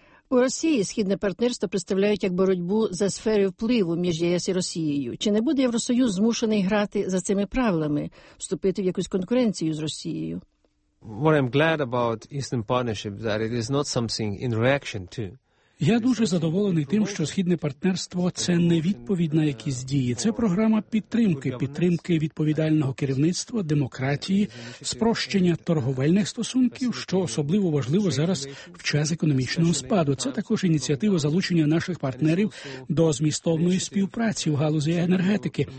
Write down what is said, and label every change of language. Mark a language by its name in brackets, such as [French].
[Ukrainian] У Росії східне партнерство представляють як боротьбу за сфери впливу між ЄС і Росією. Чи не буде Євросоюз змушений грати за цими правилами, вступити в якусь конкуренцію з Росією? [English] What I'm glad about Eastern Partnership that it is not something in reaction to. [Ukrainian] Я дуже задоволений тим, що Східне партнерство – це не відповідь на якісь дії. Це програма підтримки, підтримки відповідального керівництва, демократії, спрощення торговельних стосунків, що особливо важливо зараз в час економічного спаду. Це також ініціатива залучення наших партнерів до змістовної співпраці в галузі енергетики.